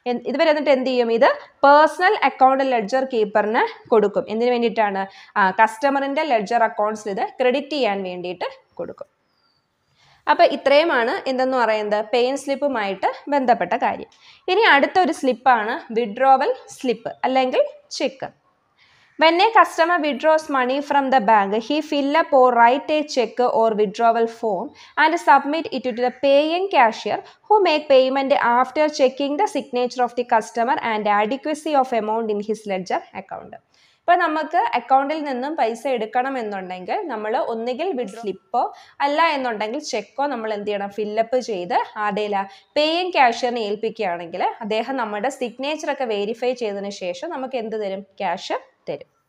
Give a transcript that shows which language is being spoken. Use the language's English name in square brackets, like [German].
[Malayalam] ഇതു വരെ എന്നിട്ട് എന്ത് ചെയ്യും, ഇത് പേഴ്സണൽ അക്കൗണ്ട് ലെഡ്ജർ കീപ്പറിന് കൊടുക്കും. എന്തിനു വേണ്ടിയിട്ടാണ്, കസ്റ്റമറിൻ്റെ ലെഡ്ജർ അക്കൗണ്ട്സ് ഇത് ക്രെഡിറ്റ് ചെയ്യാൻ വേണ്ടിയിട്ട് കൊടുക്കും. അപ്പോൾ ഇത്രയുമാണ് എന്തെന്ന് പറയുന്നത് പേയിൻ സ്ലിപ്പുമായിട്ട് ബന്ധപ്പെട്ട കാര്യം. ഇനി അടുത്ത ഒരു സ്ലിപ്പാണ് വിഡ്രോവൽ സ്ലിപ്പ് അല്ലെങ്കിൽ check. [English] When a customer withdraws money from the bank, he fill up or write a check or withdrawal form and submit it to the paying cashier who make payment after checking the signature of the customer and adequacy of amount in his ledger account. [Malayalam] ഇപ്പോൾ നമുക്ക് അക്കൗണ്ടിൽ നിന്നും പൈസ എടുക്കണം എന്നുണ്ടെങ്കിൽ നമ്മൾ ഒന്നുകിൽ withdraw സ്ലിപ്പോ അല്ല എന്നുണ്ടെങ്കിൽ ചെക്കോ നമ്മൾ എന്ത് ചെയ്യണം, ഫില്ലപ്പ് ചെയ്ത് ആദ്യം പേയിങ് ക്യാഷ്യറിനെ ഏൽപ്പിക്കുകയാണെങ്കിൽ അദ്ദേഹം നമ്മുടെ സിഗ്നേച്ചറൊക്കെ വേരിഫൈ ചെയ്തതിന് ശേഷം നമുക്ക് എന്ത് തരും, ക്യാഷ് തരും.